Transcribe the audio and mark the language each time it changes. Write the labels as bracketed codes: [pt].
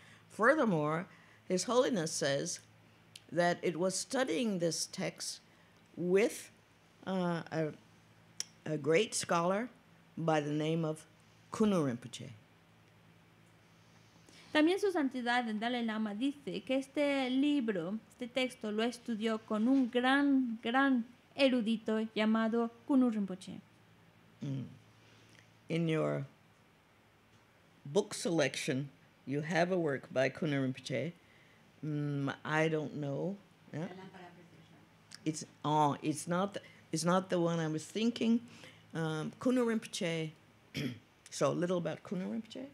[en] Furthermore, His Holiness says that it was studying this text with a great scholar by the name of Kunu Rinpoche. [es] También su santidad, el Dalai Lama, dice que este libro, este texto, lo estudió con un gran, gran erudito llamado Kunu Rinpoche. [en] In your book selection, you have a work by Kunu Rinpoche. I don't know. Yeah? It's not the one I was thinking. Kunu Rinpoche, so a little about Kunu Rinpoche.